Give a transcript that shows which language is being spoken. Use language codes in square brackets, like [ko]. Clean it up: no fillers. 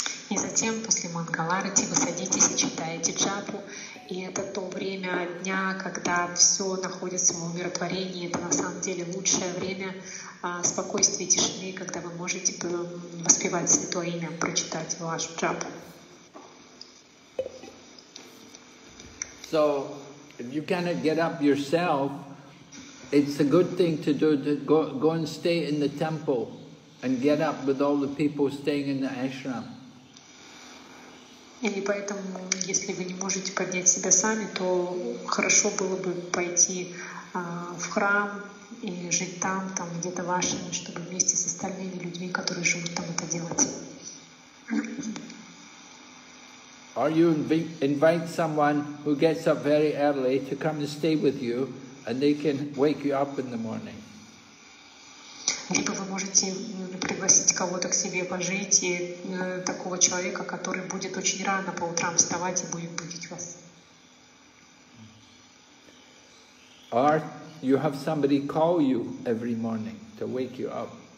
[ru] И затем после Мангал Аарти вы садитесь и читаете джапу. И это то время дня, когда все находится в умиротворении. Это на самом деле лучшее время спокойствия и тишины, когда вы можете воспевать святое имя, прочитать вашу джапу. [en] So, if you cannot get up yourself, it's a good thing to do to go and stay in the temple and get up with all the people staying in the ashram. [ru] И поэтому, если вы не можете поднять себя сами, то хорошо было бы пойти в храм и жить там где-то вашими, чтобы вместе с остальными людьми, которые живут там, это делать. [en] Or you invite someone who gets up very early to come and stay with you, and they can wake you up in the morning. [ru] Либо вы можете пригласить кого-то к себе пожить и такого человека, который будет очень рано по утрам вставать и будет будить вас. [en] Or you have somebody call you every morning to wake you up.